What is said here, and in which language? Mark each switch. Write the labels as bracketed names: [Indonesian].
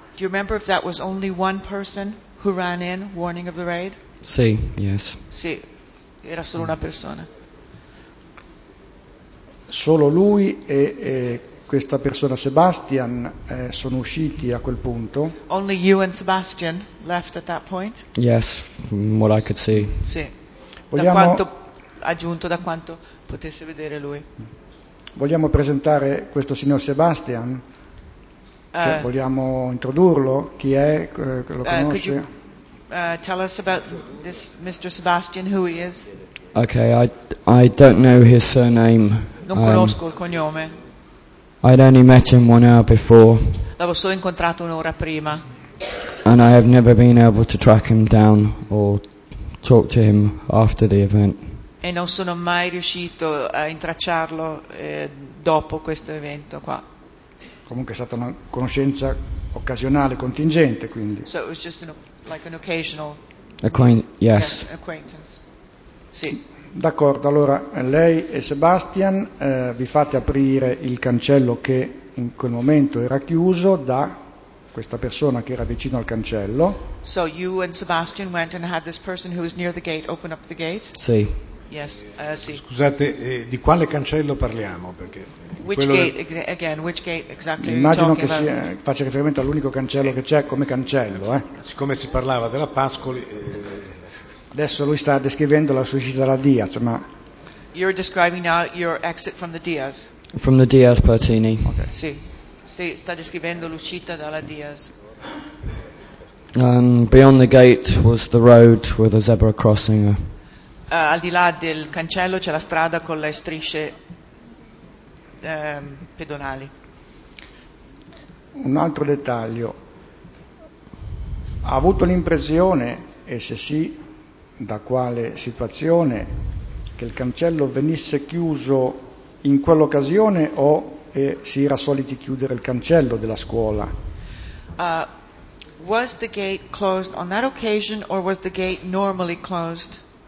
[English] Do you remember if that was only one person who ran in warning of the raid? [Italian] Sì, [English] yes. [Italian] Sì, era solo una persona. Solo lui e questa persona Sebastian sono usciti a quel punto. [English] Only you and Sebastian left at that point? Yes, from what I could see. [Italian] Sì. Vogliamo... da quanto potesse vedere lui. Vogliamo presentare questo signor Sebastian? Cioè, vogliamo introdurlo? Chi è? Lo conosce? [English] Could you tell us about this Mr. Sebastian, who he is? Okay, I don't know his surname. [Italian] Non conosco il cognome. [English] I'd only met him 1 hour before. [Italian] L'avevo solo incontrato un'ora prima. [English] And I have never been able to track him down or talk to him after the event. [Italian] E non sono mai riuscito a intracciarlo dopo questo evento qua. Comunque è stata una conoscenza occasionale, contingente, quindi. [English] So it was just like an occasional yes. Acquaintance. [Italian] Sì. D'accordo, allora lei e Sebastian vi fate aprire il cancello che in quel momento era chiuso da questa persona che era vicino al cancello. [English] So you and Sebastian went and had this person who was near the gate open up the gate? [Italian] Sì. [English] Yes, [Italian] sì. Scusate, di quale cancello parliamo? Perché [English] which gate, again, which gate exactly? [Italian] Immagino che sia, faccia riferimento all'unico cancello che c'è come cancello. Siccome si parlava della Pascoli. Adesso lui sta descrivendo la sua uscita dalla Diaz, ma. [English] You're describing now your exit from the Diaz. From the Diaz Pertini. Okay. [Italian] Sì. Sì, sta descrivendo l'uscita dalla Diaz. [English] Beyond the gate was the road with a zebra crossing. [Italian] Al di là del cancello c'è la strada con le strisce pedonali. Un altro dettaglio. Ha avuto l'impressione, e se sì, da quale situazione, che il cancello venisse chiuso in quell'occasione o si era soliti chiudere il cancello della scuola? [English] Was the gate closed on that occasion or was the gate normally closed?